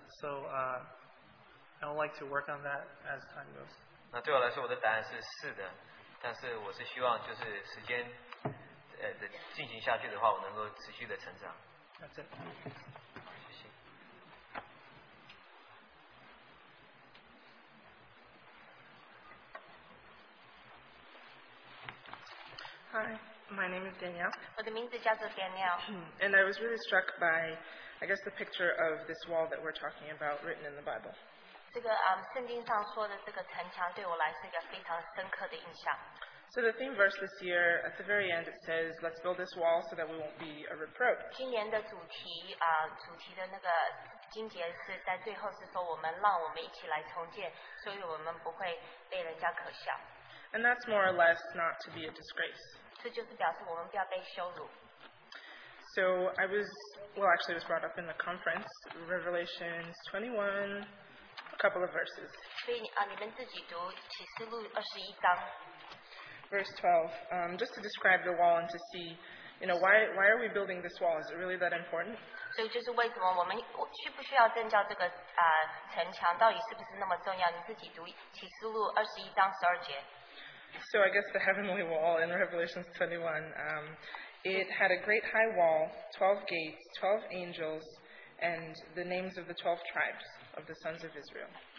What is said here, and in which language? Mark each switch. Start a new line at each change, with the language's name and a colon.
English: So I would like to work on that as time goes.
Chinese: 那对我来说，我的答案是是的。但是我是希望，就是时间，进行下去的话，我能够持续的成长。
English: That's it.
Chinese: 谢谢。
English: Hi, my name is Danielle.
Chinese: 我的名字叫做Danielle。And
English: I was really struck by, I guess, the picture of this wall that we're talking about written in the Bible.
Chinese: 这个 圣经上说的这个城墙，对我来是一个非常深刻的印象。
English: So the theme verse this year, at the very end, it says, let's build this wall so that we won't be a reproach.
Chinese: 今年的主题, 主题的那个经节是在最后是说我们让我们一起来重建,所以我们不会被人家可笑。
English: And that's more or less not to be a disgrace.
Chinese: 这就是表示我们不要被羞辱。
English: So I was, well actually it was brought up in the conference, Revelation 21, a couple of verses.
Chinese: 所以你们自己读启示录21章。
English: verse 12, just to describe the wall and to see, you know, why are we building this wall? Is it really that important?
Chinese: So, 就是为什么我们需不需要建造这个 城墙？到底是不是那么重要？你自己读启示录21章12节。
English: So I guess the heavenly wall in Revelation 21, it had a great high wall, 12 gates, 12 angels, and the names of the 12 tribes of the sons of Israel.